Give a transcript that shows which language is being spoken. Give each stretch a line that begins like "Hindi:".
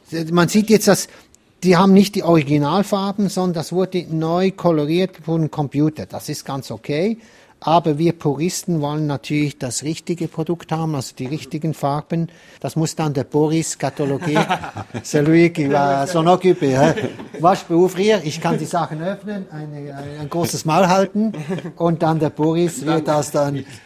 German: Man sieht jetzt, dass die haben nicht die Originalfarben, sondern das wurde neu koloriert von einem Computer. Das ist ganz okay. Aber wir Puristen wollen natürlich das richtige Produkt haben, also die richtigen Farben. Das muss dann der Boris katalogieren.
French: C'est lui qui va s'en occuper.
German: Was beruflich? Ich kann die Sachen öffnen, ein großes Maul halten und dann der Boris wird das dann.